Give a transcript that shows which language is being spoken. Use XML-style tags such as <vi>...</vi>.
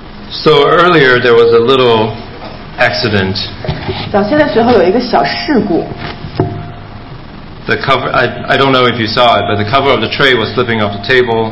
<en>So earlier there was a little accident.</en> <zh>早些的时候有一个小事故。</zh> <en>The cover, I don't know if you saw it, but the cover of the tray was slipping off the table.</en>